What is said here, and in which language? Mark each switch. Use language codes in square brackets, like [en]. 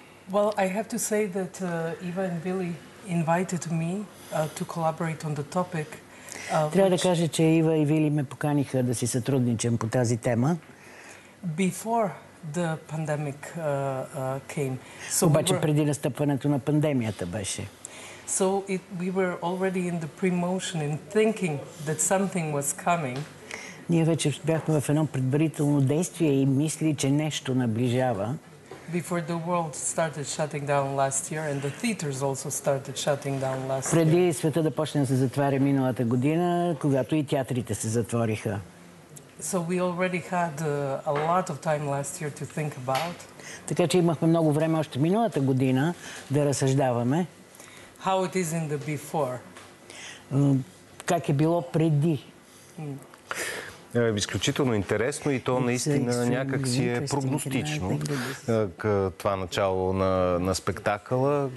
[en] Well, I have to say that Eva and Billy invited me to collaborate on the topic. [bg] Трябва да кажа, че Ива и Вили ме поканиха да си сътрудничам по тази тема. [en] Before the pandemic came. [bg] Обаче преди настъпването на пандемията беше. [en] So we were already in the pre-motion in thinking that something was coming. [bg] Ние вече бяхме в едно предварително действие и мисли, че нещо наближава. [en] before the world started shutting down last year and the theaters also started shutting down last year. [bg] Преди света да почне да се затваря миналата година, когато и театрите се затвориха. [en] So we already had a lot of time last year to think about. [bg] Така че имахме много време още миналата година да разсъждаваме. [en] How it is in the before. [bg] Как е било преди. Изключително интересно и то наистина някак си е прогностично к това начало на спектакъла.